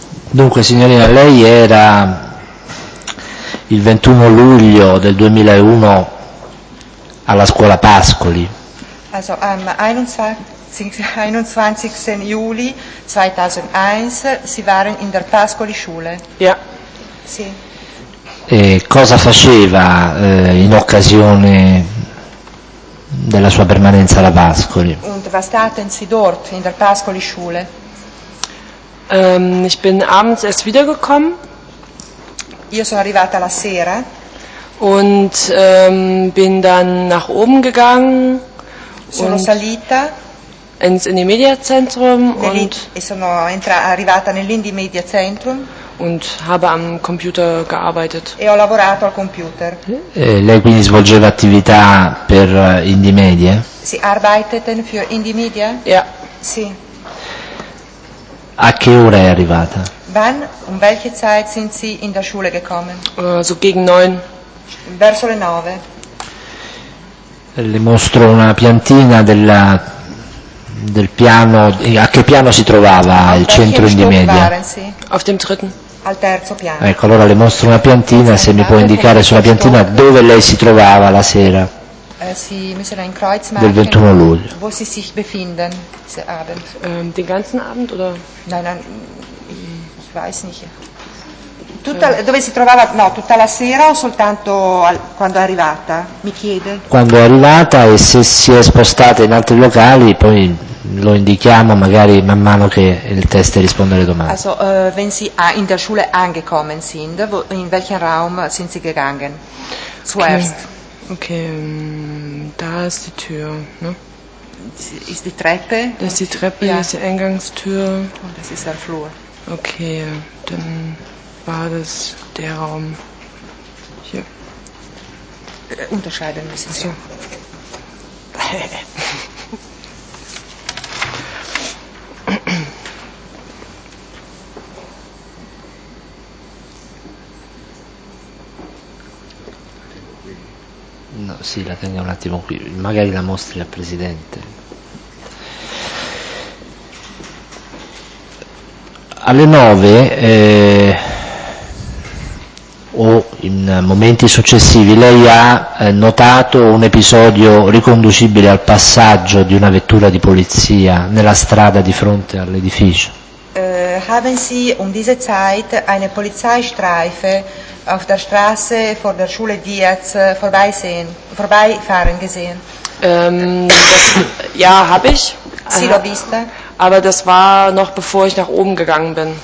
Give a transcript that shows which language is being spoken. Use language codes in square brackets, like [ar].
[it] Dunque, signorina, lei era il 21 luglio del 2001 alla scuola Pascoli. [de] Also, am 21. Juli 2001 si waren in der Pascoli Schule. Ja. [it] Sì. E cosa faceva in occasione della sua permanenza alla Pascoli? [de] Und was taten Sie dort in der Pascoli Schule? Ich bin abends erst wiedergekommen. [it] Io sono arrivata la sera. [de] Und bin dann nach oben gegangen. [it] Sono salita. [de] In die Mediazentrum und [it] sono arrivata nell'Indimedia Zentrum [de] und habe am Computer gearbeitet. [it] E ho lavorato al computer. Lei quindi svolgeva attività per Indimedia? Sì, [de] arbeiteten für Indimedia? Ja. [it] Sì. A che ora è arrivata? [de] Wann, um welche Zeit sind Sie in der Schule gekommen? So gegen 9. [it] Verso le 9. Le mostro una piantina della del piano, a che piano si trovava al il centro Indimedia? [de] Auf dem dritten. [it] Al terzo piano. Ecco, allora le mostro una piantina, se mi può indicare sulla piantina dove lei si trovava la sera si misero in Kreuzmarken del 21 luglio. [de] Wo sie sich befinden, se abend. Den ganzen Abend oder? Nein, ich weiß nicht. [it] Dove si trovava, no, tutta la sera o soltanto quando è arrivata? Mi chiede. Quando è arrivata e se si è spostata in altri locali, poi lo indichiamo magari man mano che il test risponde alle domande. [de] Also, wenn Sie in der Schule angekommen sind, wo, in welchen Raum sind Sie gegangen? Zuerst. Okay, da ist die Tür, ne? Ist die Treppe? Das ist die Treppe, ja. Das ist die Eingangstür. Und das ist der Flur. Okay, dann war das der Raum hier. Unterscheiden müssen Sie. [it] No, sì, la tengo un attimo qui, magari la mostri al presidente. Alle 9 o in momenti successivi lei ha notato un episodio riconducibile al passaggio di una vettura di polizia nella strada di fronte all'edificio? [de] Haben Sie um diese Zeit eine Polizeistreife auf der Straße vor der Schule Diaz vorbeifahren gesehen? Ja, habe ich. [it] Sì, l'ho vista. [de] Aber das war noch bevor ich nach oben gegangen bin.